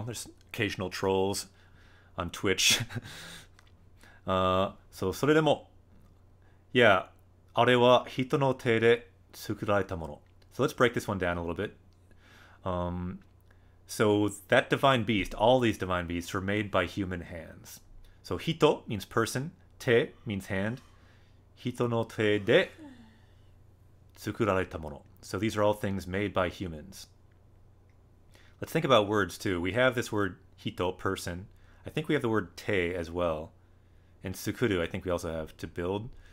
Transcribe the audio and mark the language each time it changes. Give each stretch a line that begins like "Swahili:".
English: There's occasional trolls on Twitch.
Japanese: それでも... Yeah, あれは人の手で作られたもの.
English: So let's break this one down a little bit. So that divine beast, all these divine beasts were made by human hands. So hito means person, te means hand.
Japanese: 人の手で作られたもの.
English: So these are all things made by humans. Let's think about words too. We have this word hito, person. I think we have the word te as well. And tsukuru, I think we also have to build.